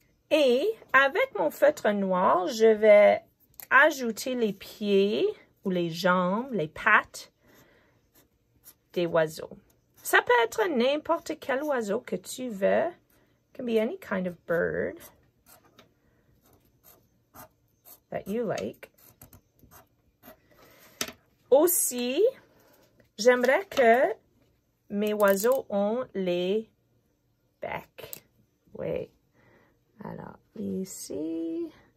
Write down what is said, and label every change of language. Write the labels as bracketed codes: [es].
[fr] Et avec mon feutre noir, je vais ajouter les pieds ou les jambes, les pattes des oiseaux. Ça peut être n'importe quel oiseau que tu veux. [en] It can be any kind of bird that you like. [fr] Aussi, j'aimerais que mes oiseaux ont les becs. Oui. Alors, ici.